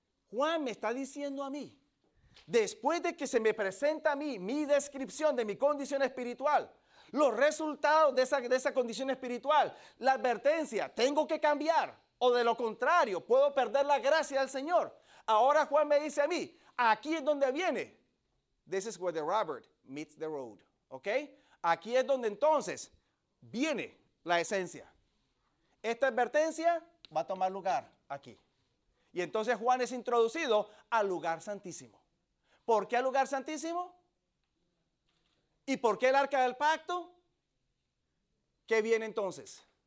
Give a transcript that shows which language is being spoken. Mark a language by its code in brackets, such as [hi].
[es] Juan me está diciendo a mí, después de que se me presenta a mí mi descripción de mi condición espiritual, los resultados de esa condición espiritual, la advertencia, tengo que cambiar o de lo contrario, puedo perder la gracia del Señor. Ahora Juan me dice a mí, aquí es donde viene. [en] This is where the rubber meets the road. ¿Ok? [es] Aquí es donde entonces viene la esencia. Esta advertencia va a tomar lugar aquí. Y entonces Juan es introducido al lugar santísimo. ¿Por qué al lugar santísimo? ¿Y por qué el arca del pacto? ¿Qué viene entonces?